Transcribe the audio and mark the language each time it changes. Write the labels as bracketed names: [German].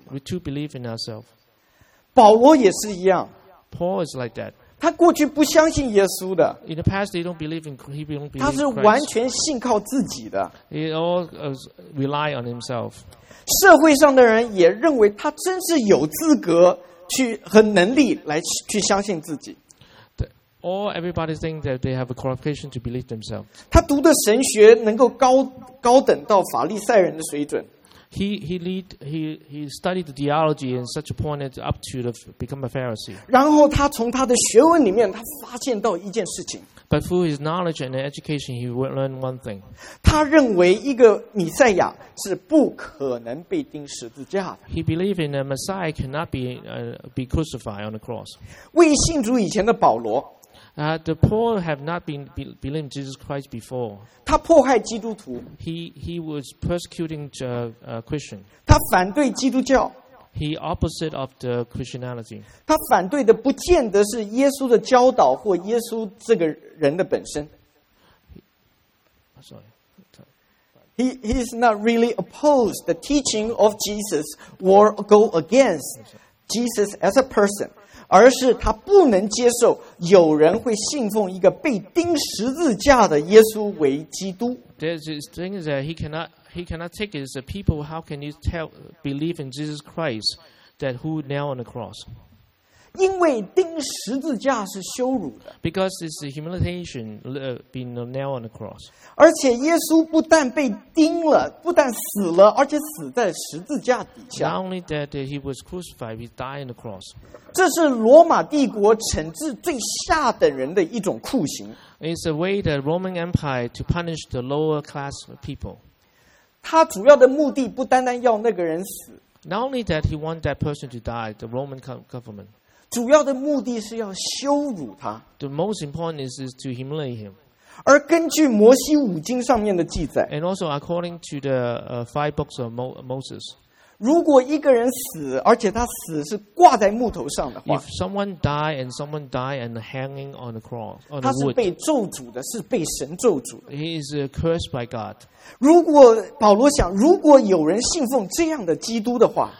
[English] We too believe in ourselves. [Chinese] 保罗也是一样。 [English] Paul is like that. [Chinese] 他过去不相信耶稣的。 [English] In the past, he don't believe in he don't believe. [Chinese] 他是完全信靠自己的。 [English] He all rely on himself. [Chinese] 社会上的人也认为他真是有资格去和能力来去相信自己。 [English] Or everybody thinks that they have a qualification to believe themselves. [Chinese] 他读的神学能够高等到法利赛人的水准。 [English] He studied the theology in such a point that up to the become a Pharisee. [Chinese] 然后他从他的学问里面，他发现到一件事情。 [English] But through his knowledge and education, he would learn one thing. [Chinese] 他认为一个弥赛亚是不可能被钉十字架的。 [English] He believed in a Messiah cannot be crucified on the cross. [Chinese] 未信主以前的保罗。 [English] The Paul have not been believed Jesus Christ before. [Chinese] 他迫害基督徒。 [English] He was persecuting Christian. [Chinese] 他反对基督教。 [English] He opposite of the Christianity. [Chinese] 他反对的不见得是耶稣的教导或耶稣这个人的本身。 [English] Sorry. He is not really opposed. The teaching of Jesus will go against Jesus as a person. [Chinese] 而是他不能接受有人会信奉一个被钉十字架的耶稣为基督。 [English] There's this thing that he cannot take it. The people, how can you believe in Jesus Christ that who nailed on the cross? [Chinese] 因为钉十字架是羞辱的。 [English] Because it's a humiliation, being nailed on the cross. [Chinese] 而且耶稣不但被钉了，不但死了，而且死在十字架底下。 [English] Not only that he was crucified, he died on the cross. [Chinese] 这是罗马帝国惩治最下等人的一种酷刑。 [English] It's a way the Roman Empire to punish the lower class people. [Chinese] 他主要的目的不单单要那个人死。 [English] Not only that he wanted that person to die, the Roman government. [Chinese] 主要的目的是要羞辱他。 [English] The most important is to humiliate him. [Chinese] 而根据摩西五经上面的记载 [English] ，and also according to the five books of Moses， [Chinese] 如果一个人死，而且他死是挂在木头上的话 [English] ，if someone die and someone die and hanging on the cross， [Chinese] 他是被咒诅的，是被神咒诅的。 [English] He is cursed by God. [Chinese] 如果保罗想，如果有人信奉这样的基督的话